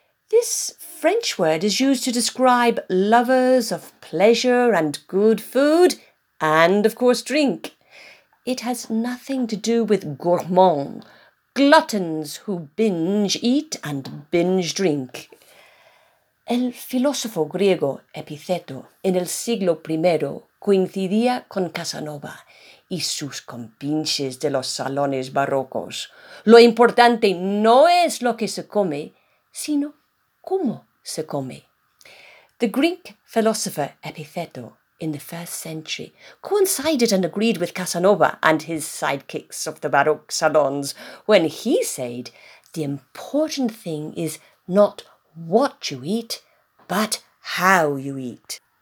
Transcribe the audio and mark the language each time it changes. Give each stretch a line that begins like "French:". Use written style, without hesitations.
English: This French word is used to describe lovers of pleasure and good food and, of course, drink. It has nothing to do with gourmand, gluttons who binge eat and binge drink.
Spanish: El filósofo griego Epiceto, en el siglo I, coincidía con Casanova y sus compinches de los salones barrocos. Lo importante no es lo que se come, sino cómo se come.
English: The Greek philosopher Epiceto, in the 1st century, coincided and agreed with Casanova and his sidekicks of the Baroque salons when he said, "The important thing is not what you eat, but how you eat."